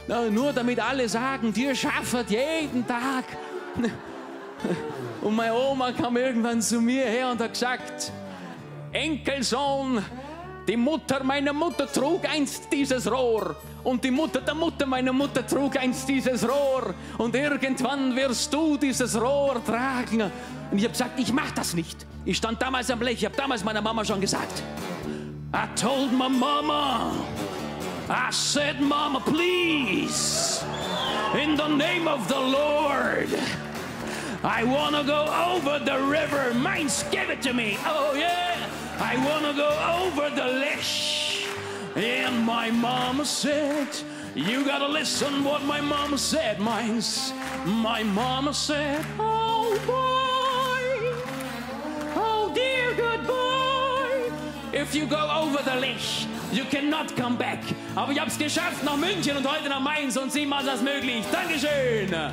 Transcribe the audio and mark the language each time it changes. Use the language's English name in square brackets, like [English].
[German] Nur damit alle sagen, dir schaffert jeden Tag. Und meine Oma kam irgendwann zu mir her und hat gesagt, Enkelsohn, die Mutter meiner Mutter trug einst dieses Rohr. Und die Mutter der Mutter meiner Mutter trug einst dieses Rohr. Und irgendwann wirst du dieses Rohr tragen. Und ich habe gesagt, ich mach das nicht. Ich stand damals am Blech, ich habe damals meiner Mama schon gesagt. [English] I told my mama, I said, Mama, please, in the name of the Lord, I wanna go over the river. Mainz, give it to me. Oh, yeah. I wanna go over the Lech. And my mama said, you gotta listen what my mama said, Mainz. My mama said, oh boy, oh dear good boy, if you go over the Lech, you cannot come back. [German] Aber ich hab's geschafft nach München und heute nach Mainz und sie macht das möglich. Dankeschön.